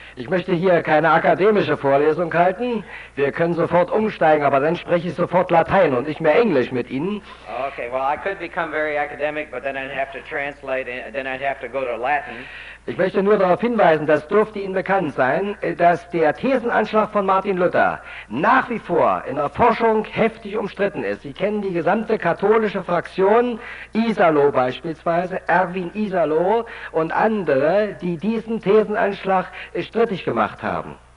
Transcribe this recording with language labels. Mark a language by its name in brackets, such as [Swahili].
[German] Ich möchte hier keine akademische Vorlesung halten, wir können sofort umsteigen, aber dann spreche ich sofort Latein und nicht mehr Englisch mit Ihnen. [English] Okay, well, I could become very academic, but then I'd have to translate, then I'd have to go to Latin. [German] Ich möchte nur darauf hinweisen, das dürfte Ihnen bekannt sein, dass der Thesenanschlag von Martin Luther nach wie vor in der Forschung heftig umstritten ist. Sie kennen die gesamte katholische Fraktion, Iserloh beispielsweise, Erwin Iserloh und andere, die diesen Thesenanschlag strittig gemacht haben.